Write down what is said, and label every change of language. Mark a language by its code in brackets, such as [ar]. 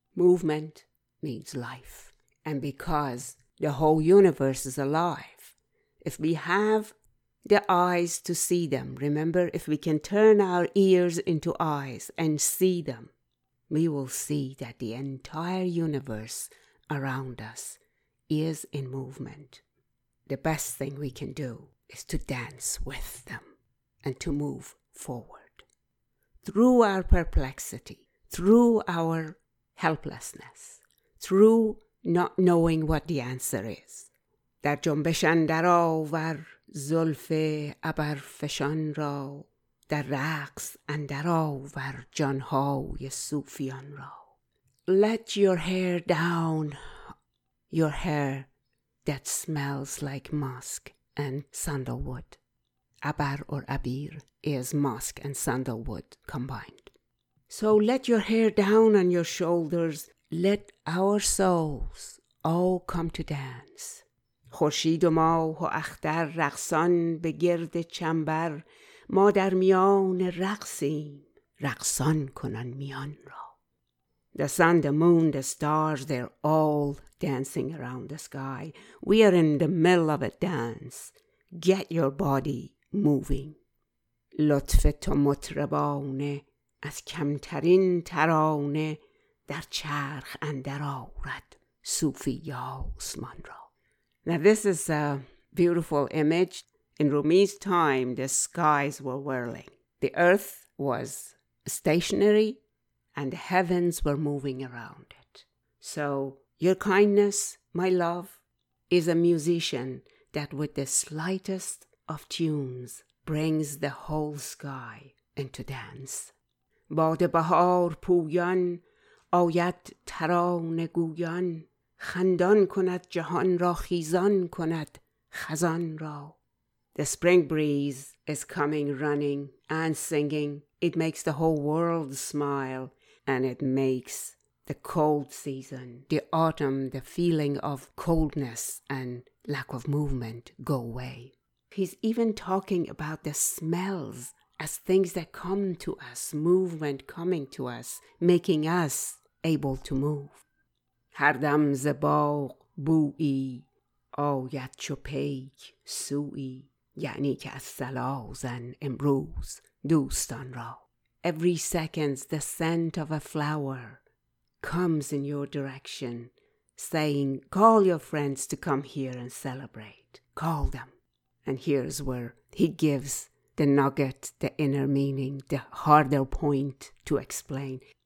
[en] Movement means life. And because the whole universe is alive, if we have the eyes to see them, remember, if we can turn our ears into eyes and see them, we will see that the entire universe around us is in movement. The best thing we can do is to dance with them and to move forward. Through our perplexity, through our helplessness, through not knowing what the answer is. [fa] در جنبش اندر آور زلف ابر فشان را، در رقص اندر آور جانهای صوفیان را. [en] Let your hair down, your hair that smells like musk and sandalwood. Abar or abir is musk and sandalwood combined. So let your hair down on your shoulders. Let our souls all come to dance. [fa] خورشید و ماه و اختر رقصان به گرد چنبر، ما در میان رقصیم رقصان کنن میان را. [en] The sun, the moon, the stars, they're all dancing around the sky. We are in the middle of a dance. Get your body moving. [fa] لطف تو مطربانه از کمترین ترانه در چرخ اندر آورد صوفی آسمان را. [en] Now this is a beautiful image. In Rumi's time, the skies were whirling. The earth was stationary and the heavens were moving around it. So your kindness, my love, is a musician that with the slightest of tunes brings the whole sky into dance. [fa] باد بهار پویان آید ترانه گویان خندان کند جهان را خیزان کند خزان را. [en] The spring breeze is coming running and singing. It makes the whole world smile and it makes the cold season, the autumn, the feeling of coldness and lack of movement go away. He's even talking about the smells as things that come to us, movement coming to us, making us able to move. [fa] هر دم ز باغ بویی آید چو پیک سویی یعنی که از سلازن امروز دوستان را. [en] Every second the scent of a flower comes in your direction saying call your friends to come here and celebrate. Call them. And here's where he gives the nugget, the inner meaning, the harder point to explain.